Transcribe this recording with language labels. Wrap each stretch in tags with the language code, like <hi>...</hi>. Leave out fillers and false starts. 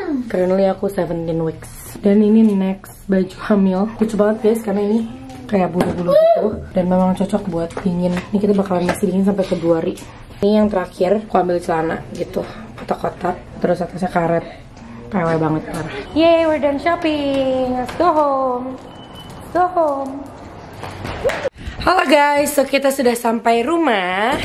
<id>Currently aku 17 weeks. Dan ini next baju hamil. Lucu banget guys, karena ini kayak bulu-bulu gitu. Dan memang cocok buat dingin. Ini kita bakalan masih dingin sampai ke 2 hari. Ini yang terakhir, aku ambil celana gitu, kotak-kotak, terus atasnya karet, pewe banget parah.</id> <en>Yay, we're done shopping, let's go home, let's go home.</en> <id>Halo guys, so kita sudah sampai rumah.</id>